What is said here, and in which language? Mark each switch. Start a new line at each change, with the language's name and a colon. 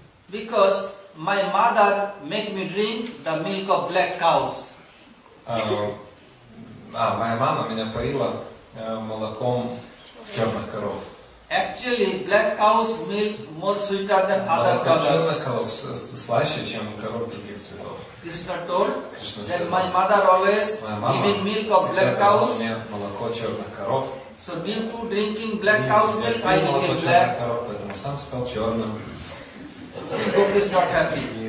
English: Because my mother make me drink the milk of black cows.
Russian: Моя мама меня поила молоком черных коров.
English: Actually, black cows milk more sweeter than other cows.
Russian: Черных коров слаще, чем коров других цветов.
English: Krishna told that my mother always giving milk of black cows.
Russian: Молоко черных коров.
English: So due to drinking black cow's milk, I became black.
Russian: Поэтому сам стал черным.
English: Gopi is not happy.